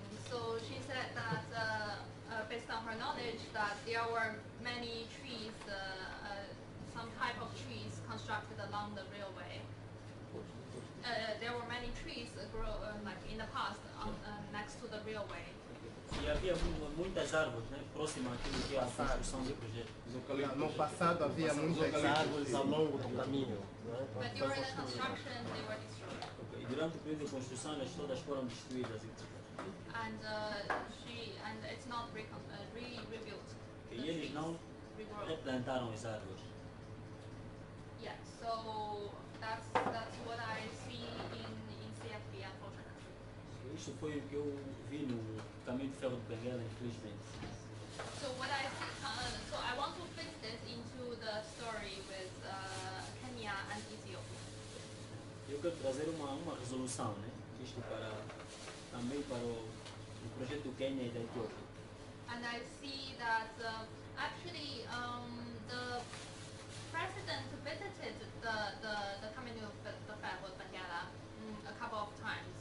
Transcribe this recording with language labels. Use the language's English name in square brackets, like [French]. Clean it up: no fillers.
[English] So she said that based on her knowledge that there were many trees, some type of trees constructed along the railway. There were many trees grow like in the past on, next to the railway. [Portuguese] E havia muitas árvores, né, próximo àquilo que é a construção do projeto. No passado havia muitas árvores ao longo do caminho. [English] But during the construction they were destroyed. [Portuguese] Okay. E durante o período de construção elas todas foram destruídas. [English] And it's not rebuilt. [Portuguese] E eles não replantaram as árvores. [English] Yeah, so that's what I see in CFB, unfortunately. [Portuguese] Isso foi o que eu vi no caminho de ferro de Benguela, infelizmente. [English] So what I see, so I want to fix this into the story with Kenya and Ethiopia. [Portuguese] Eu quero trazer uma resolução, né? Isto para também para o projeto do Quênia e da Etiópia. [English] And I see that actually the president visited the coming of the Ferro de Benguela a couple of times.